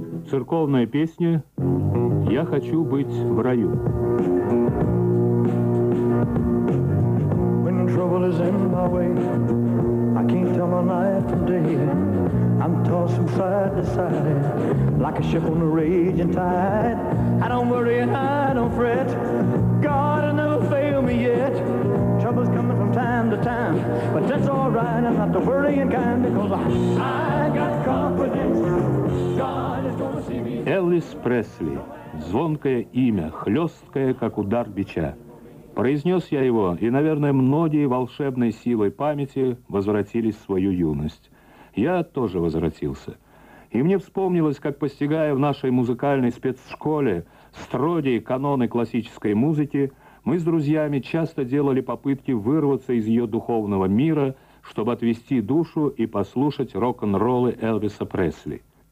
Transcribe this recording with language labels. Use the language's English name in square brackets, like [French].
[Russian] Церковная песня «Я хочу быть в раю». [English] When trouble is in my way, I can't tell my night from day. I'm tossed from side to side, like a ship on a raging tide. I don't worry, I don't fret. God will never fail me yet. Trouble's coming from time to time, but that's all right. I'm not the worrying kind, because I got confidence. [Russian] Элвис Пресли. Звонкое имя, хлесткое, как удар бича. Произнес я его, и, наверное, многие волшебной силой памяти возвратились в свою юность. Я тоже возвратился. И мне вспомнилось, как, постигая в нашей музыкальной спецшколе строгие каноны классической музыки, мы с друзьями часто делали попытки вырваться из ее духовного мира, чтобы отвести душу и послушать рок-н-роллы Элвиса Пресли.